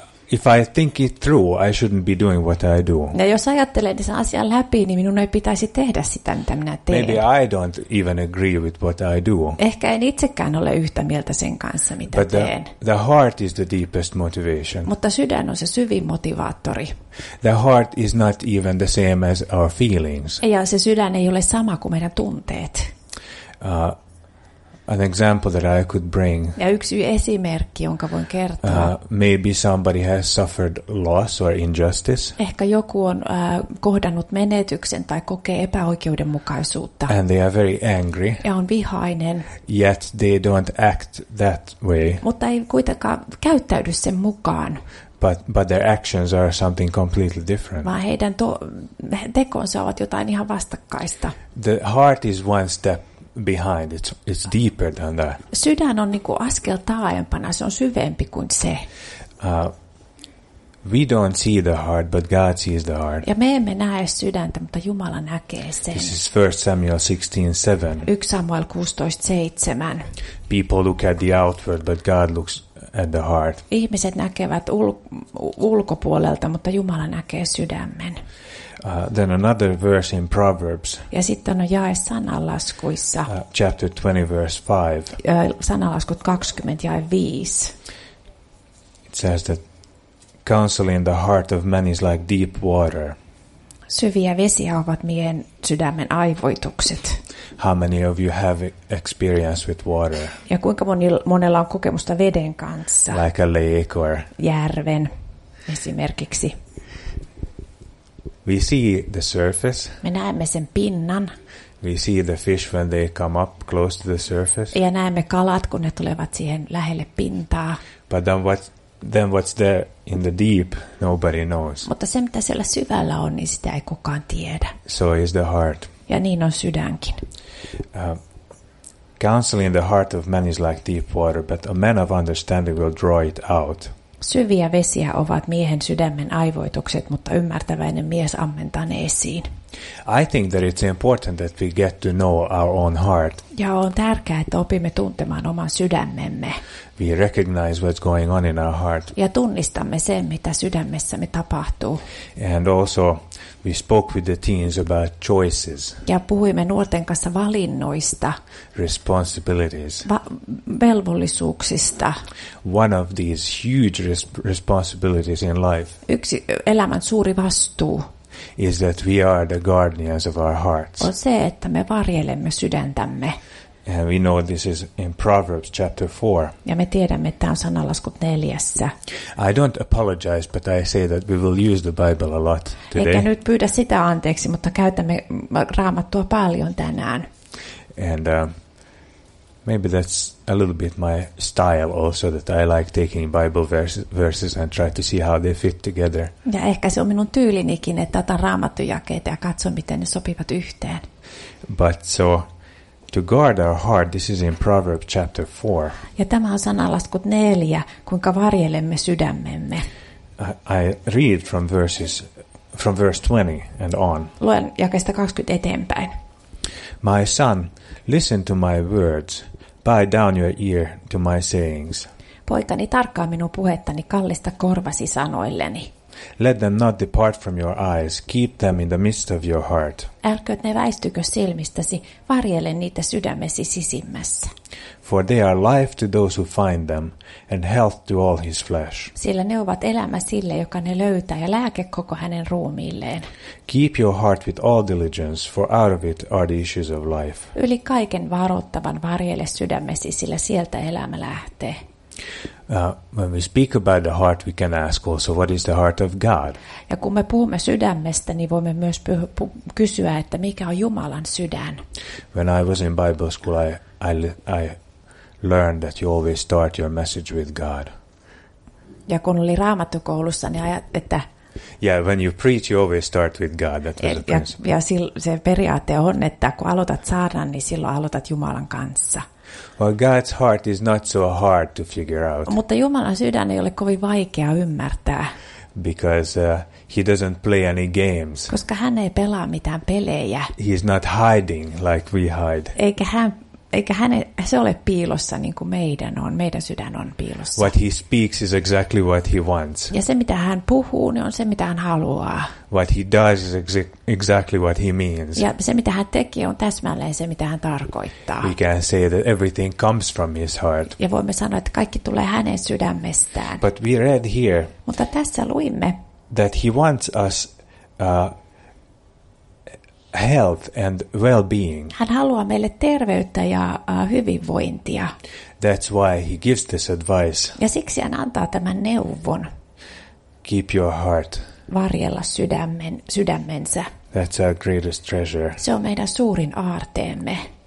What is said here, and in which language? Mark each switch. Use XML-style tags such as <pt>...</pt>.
<en>If I think it through, I shouldn't be doing what I do.</en> <fi>Ja jos ajattelen sen asian läpi, niin minun ei pitäisi tehdä sitä, mitä minä teen.</fi> <en>Maybe I don't even agree with what I do.</en> <fi>Ehkä en itsekään ole yhtä mieltä sen kanssa, mitä</fi> <en>But</en> <fi>teen.</fi> <en>The heart is the deepest motivation.</en> <fi>Mutta sydän on se syvin motivaattori.</fi> <en>The heart is not even the same as our feelings.</en> <fi>Ja se sydän ei ole sama kuin meidän tunteet.</fi> <en>An example that I could bring.</en> <fi>Ja yksi esimerkki, jonka voin kertoa.</fi> <en>Maybe somebody has suffered loss or injustice.</en> <fi>Ehkä joku on kohdannut menetyksen tai kokee epäoikeudenmukaisuutta.</fi> <en>And they are very angry.</en> <fi>Ja on vihainen.</fi> <en>Yet they don't act that way.</en> <fi>Mutta ei kuitenkaan käyttäydy sen mukaan.</fi> <en>But their actions are something completely different.</en> <fi>Vaan heidän tekonsa ovat jotain ihan vastakkaista.</fi> <en>The heart is one step behind, it's deeper than that.</en> <fi>Sydän on niinku askel taaempana, se on syvempi kuin se.</fi> <en>We don't see the heart, but God sees the heart.</en> <fi>Ja me emme näe sydäntä, mutta Jumala näkee sen.</fi> <en>This is 1 Samuel 16:7.</en> <fi>1 Samuel 16:7.</fi> <en>People look at the outward, but God looks at the heart.</en> <fi>Ihmiset näkevät ulkopuolelta, mutta Jumala näkee sydämen.</fi> <en>Then another verse in Proverbs.</en> <fi>Ja sitten on jae sanalaskuissa.</fi> <en>Chapter 20 verse 5.</en> <fi>Sanalaskut 20 jae 5.</fi> <en>It says that counsel in the heart of man is like deep water.</en> <fi>Syviä vesiä ovat meidän sydämen aivoitukset.</fi> <en>How many of you have experience with water?</en> <fi>Ja kuinka monella on kokemusta veden kanssa?</fi> <en>Like a lake or</en> <fi>järven esimerkiksi.</fi> <en>We see the surface.</en> <fi>Me näemme sen pinnan.</fi> <en>We see the fish when they come up close to the surface.</en> <fi>Ja näemme kalat, kun ne tulevat siihen lähelle pintaa.</fi> <en>But then what's there in the deep, nobody knows.</en> <fi>Mutta se, mitä siellä syvällä on, niin sitä ei kukaan tiedä.</fi> <en>So is the heart.</en> <fi>Ja niin on sydänkin.</fi> <en>Counsel in the heart of man is like deep water, but a man of understanding will draw it out.</en> <fi>Syviä vesiä ovat miehen sydämen aivoitukset, mutta ymmärtäväinen mies ammentaa ne esiin.</fi> <en>I think that it's important that we get to know our own heart.</en> <fi>Ja on tärkeää, että opimme tuntemaan oman sydämemme.</fi> <en>We recognize what's going on in our heart.</en> <fi>Ja tunnistamme sen, mitä sydämessämme tapahtuu.</fi> <en>And also we spoke with the teens about choices.</en> <fi>Ja puhuimme nuorten kanssa valinnoista.</fi> <en>Responsibilities.</en> <fi>Velvollisuuksista.</fi> <en>One of these huge responsibilities in life.</en> <fi>Yksi elämän suuri vastuu.</fi> <en>Is that we are the guardians of our hearts.</en> <fi>On se, että me varjelemme sydäntämme.</fi> <en>And we know this is in Proverbs chapter 4.</en> <fi>Ja me tiedämme, että on sanalaskut 4.</fi> <en>I don't apologize, but I say that we will use the Bible a lot today.</en> <fi>Eikä nyt pyydä sitä anteeksi, mutta käytämme Raamattua paljon tänään.</fi> <en>And maybe that's a little bit my style also, that I like taking Bible verses and try to see how they fit together.</en> <fi>Ja ehkä se on minun tyylinikin, että otan raamattujakeita ja katson, miten ne sopivat yhteen.</fi> <en>But so, to guard our heart, this is in Proverbs chapter 4.</en> <fi>Ja tämä on sanalaskut 4, kuinka varjelemme sydämemme.</fi> <en>I read from verse 20 and on.</en> <fi>Luen jakeista 20 eteenpäin.</fi> <en>My son, listen to my words. Bow down your ear to my sayings.</en> <fi>Poikani, tarkkaa minun puhettani, kallista korvasi sanoilleni.</fi> <en>Let them not depart from your eyes. Keep them in the midst of your heart.</en> <fi>Älköt ne väistykö silmistäsi, varjele niitä sydämesi sisimmässä.</fi> <en>For they are life to those who find them, and health to all his flesh.</en> <fi>Sillä ne ovat elämä sille, joka ne löytää, ja lääke koko hänen ruumiilleen.</fi> <en>Keep your heart with all diligence, for out of it are the issues of life.</en> <fi>Yli kaiken varoittavan varjele sydämesi, sillä sieltä elämä lähtee.</fi> <en>When we speak about the heart, we can ask also, what is the heart of God?</en> <fi>Ja kun me puhumme sydämestä, niin voimme myös kysyä, että mikä on Jumalan sydän.</fi> <en>When I was in Bible school, I learned that you always start your message with God.</en> <fi>Ja kun oli raamattukoulussa, niin ajattelin, että...</fi> <en>Yeah, when you preach, you always start with God. That was the principle.</en> <fi>Ja se periaate on, että kun aloitat saarnan, niin silloin aloitat Jumalan kanssa.</fi> <en>Well, God's heart is not so hard to figure out.</en> <fi>Mutta Jumalan sydän ei ole kovin vaikea ymmärtää.</fi> <en>Because he doesn't play any games.</en> <fi>Koska hän ei pelaa mitään pelejä.</fi> <en>He's not hiding like we hide.</en> <fi>Se ole piilossa niin kuin meidän on. Meidän sydän on piilossa.</fi> <en>What he speaks is exactly what he wants.</en> <fi>Ja se mitä hän puhuu, niin on se mitä hän haluaa.</fi> <en>What he does is exactly what he means.</en> <fi>Ja se mitä hän tekee on täsmälleen se mitä hän tarkoittaa.</fi> <en>We can say that everything comes from his heart.</en> <fi>Ja voimme sanoa, että kaikki tulee hänen sydämestään.</fi> <en>But we read here.</en> <fi>Mutta tässä luimme.</fi> <en>That he wants us health and well-being.</en> <fi>Hän haluaa meille terveyttä ja hyvinvointia.</fi> <en>That's why he gives this advice.</en> <fi>Ja siksi hän antaa tämän neuvon.</fi> <en>Keep your heart.</en> <fi>Varjella sydämensä.</fi> <en>That's our greatest treasure.</en> <fi>Se on meidän suurin aarteemme.</fi>